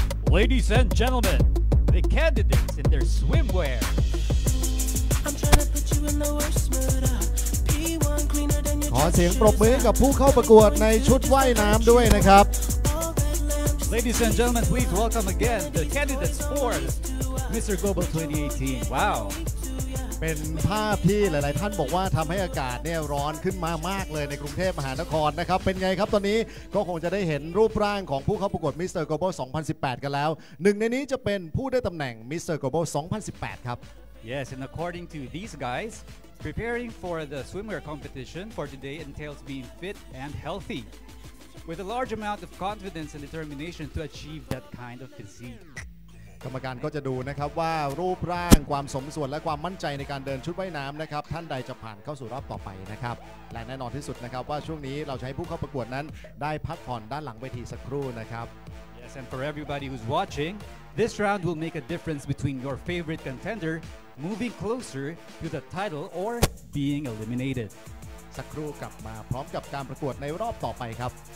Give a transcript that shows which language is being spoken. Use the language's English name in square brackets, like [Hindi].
[English] Ladies and gentlemen, the candidates in their swimwear. I'm trying to put you in the worst mood. P1 cleaner than your [Thai] ขอเสียงปรบมือกับผู้เข้าประกวดในชุดว่ายน้ำด้วยนะครับ [English] Ladies and gentlemen, please welcome again the candidates for Mr. Global 2018. Wow. [Thai] เป็นภาพที่หลายๆท่านบอกว่าทำให้อากาศเนี่ยร้อนขึ้นมามากเลยในกรุงเทพมหานครนะครับเป็นไงครับตอนนี้ก็คงจะได้เห็นรูปร่างของผู้เข้าประกวด Mr. Global 2018กันแล้วหนึ่งในนี้จะเป็นผู้ได้ตำแหน่ง Mr. Global 2018ครับ [English] Yes, and according to these guys, preparing for the swimwear competition for today entails being fit and healthy with a large amount of confidence and determination to achieve that kind of physique. [Thai] กรรมการก็จะดูนะครับว่ารูปร่างความสมส่วนและความมั่นใจในการเดินชุดว่ายน้ำนะครับท่านใดจะผ่านเข้าสู่รอบต่อไปนะครับและแน่นอนที่สุดนะครับว่าช่วงนี้เราจะให้ผู้เข้าประกวดนั้นได้พักผ่อนด้านหลังเวทีสักครู่นะครับ [English] Yes and for everybody who's watching this round will make a difference between your favorite contender moving closer to the title or being eliminated [Thai] สักครู่กลับมาพร้อมกับการประกวดในรอบต่อไปครับ